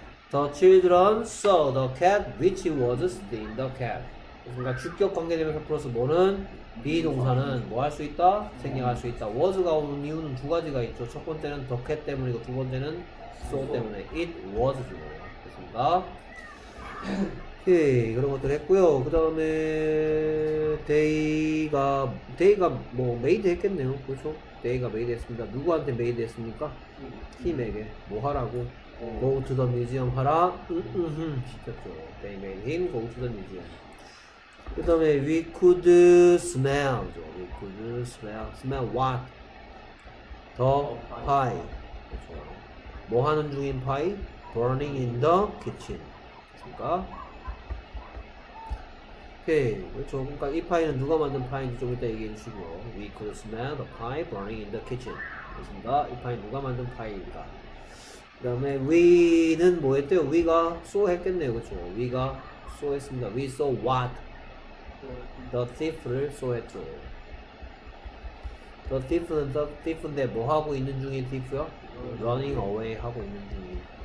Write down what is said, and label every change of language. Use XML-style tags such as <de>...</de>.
<en>The children saw the cat which was stealing the cat.</en> <ko>그러니까 주격 관계되면서 플러스 뭐는? be 동사는 뭐 할 수 있다? 생략할 수 있다. was가 오는 이유는 두 가지가 있죠. 첫 번째는 the cat 때문이고 두 번째는 saw 때문에 it was죠. 됐습니다. 오케이, 그런 것들 했고요. 그 다음에 데이가 뭐 메이드 했겠네요. 그렇죠? 데이가 메이드 했습니다. 누구한테 메이드 했습니까? 팀에게. 뭐 하라고?</ko> <en>Go to the museum</en> <ko>하라 시켰죠.</ko> <en>They made him go to the museum.</en> <ko>그 다음에</ko> <en>we could smell. We could smell. Smell what? The pie.</en> <ko>뭐 하는 중인 파이?</ko> <en>Burning in the kitchen.</en> <ko>그니까 그렇죠. 그러니까 이 파이는 누가 만든 파이인지 좀 이따 얘기해 주시고요.</ko> <en>We could smell the pie burning in the kitchen.</en> <ko>그렇습니다. 이 파이 누가 만든 파이입니까? 그 다음에 we는 뭐 했대요? we가 saw 했겠네요. 그렇죠. we가 saw 했습니다.</ko> <en>we saw what?</en> <ko>the thief를 saw 했죠. the thief는 the thief인데 뭐 하고 있는 중인 thief요?</ko> <en>running away</en> <ko>하고 있는 중인.</ko>